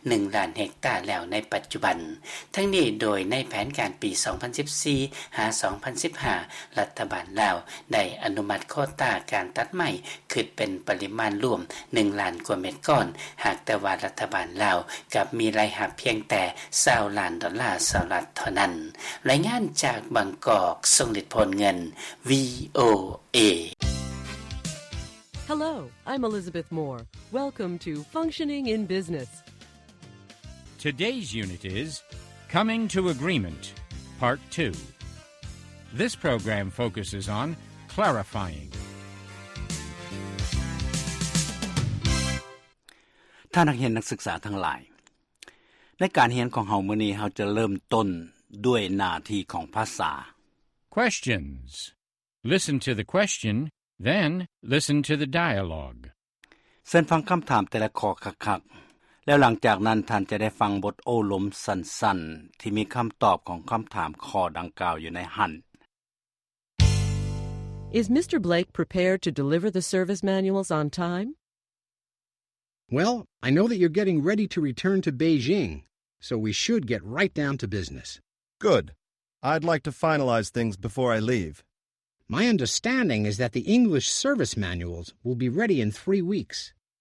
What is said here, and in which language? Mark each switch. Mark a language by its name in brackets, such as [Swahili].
[Thai] 1 ล้านเฮกตาร์แล้วในปัจจุบันทั้งนี้โดยในแผนการปี2014-2015รัฐบาลลาวได้อนุมัติโควต้าการตัดไม้คือเป็นปริมาณรวม1ล้านกว่าเมตรก้อนหากแต่ว่ารัฐบาลลาวกับมีรายรับเพียงแต่20ล้านดอลลาร์สหรัฐเท่านั้นรายงานจากบางกอกทรงฤทธิ์พลเงิน VOA [English] Hello I'm Elizabeth Moore Welcome to Functioning in Business Today's unit is Coming to Agreement, Part 2. This program focuses on clarifying. [Thai] ท่านนักเรียนนักศึกษาทั้งหลายในการเรียนของเฮามื้อนี้เฮาจะเริ่มต้นด้วยหน้าที่ของภาษา [English] Questions. Listen to the question, then listen to the dialogue. [Thai] เส้นฟังคำถามแต่ละข้อคักๆแล้วหลังจากนั้นท่านจะได้ฟังบทโอ้ล้มสั้นๆที่มีคำตอบของคำถามข้อดังกล่าวอยู่ในหั่น [English] Is Mr. Blake prepared to deliver the service manuals on time? Well, I know that you're getting ready to return to Beijing, so we should get right down to business. Good. I'd like to finalize things before I leave. My understanding is that the English service manuals will be ready in 3 weeks.